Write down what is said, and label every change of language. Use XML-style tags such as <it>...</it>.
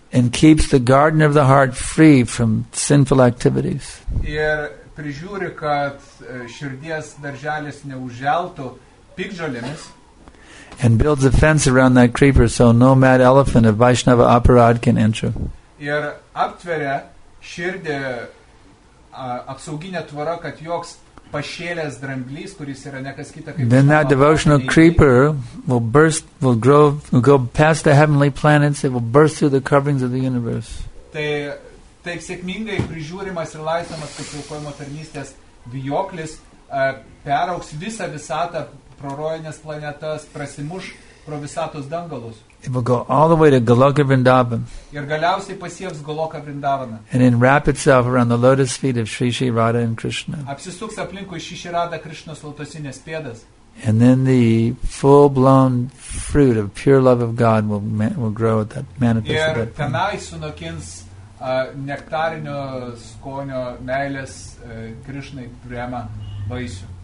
<en>and keeps the garden of the heart free from sinful activities,</en> <lt>ir prižiūri, kad širdies darželis neuželtų pikžolėmis,</lt> <en>and builds a fence around that creeper so no mad elephant of Vaishnava aparad can enter,</en> <lt>ir aptveria širdį apsauginė tvara, kad joks pašėlės dramblys, kuris yra nekas kita kaip,</lt> <en>then that devotional creeper will burst, will grow, will go past the heavenly planets, it will burst through the coverings of the universe.</en> <lt>Tai taip sėkmingai prižiūrimas ir laisvamas pasiaukojimo tarnystės vijoklis perauks visą visatą, prorojines planetas, prasimuš pro visatos dangalus.</lt> <en>It will go all the way to Goloka Vrindavan.</en> <lt>Ir galiausiai pasieks Goloka Vrindavaną.</lt> <en>And then wrap itself around the lotus feet of Sri Sri Radha and Krishna.</en> <lt>Apsisuks aplinkui Sri Sri Radha Krishnos lotosinės pėdas.</lt> <en>And then the full-blown fruit of pure love of God will grow at that manifest.</en> <lt>Ir tenai sunokins nektarinio skonio meilės Krishnai priema vaisių.</lt>